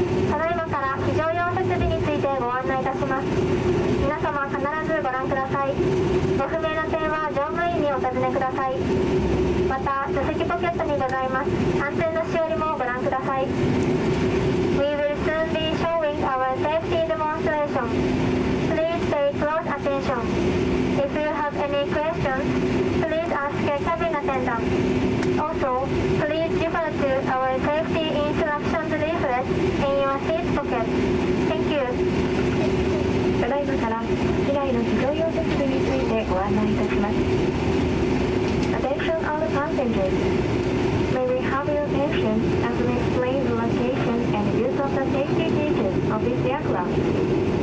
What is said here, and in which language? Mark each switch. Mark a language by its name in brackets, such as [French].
[Japanese] ただいまから非常用設備についてご案内いたします。皆様必ずご覧ください。ご不明な点は乗務員にお尋ねください。また座席ポケットにございます安全のしおりもご覧ください。 [English] We will soon be showing our safety demonstration. Please pay close attention. If you have any questions, please ask a cabin attendant. Also, please refer to our safety instructions leaflet in your seat pocket. Thank you. [Japanese] ただいまから機内の非常用設備についてご案内いたします。 [English] Attention all the passengers. May we have your attention as we explain the location and use of the safety features of this aircraft.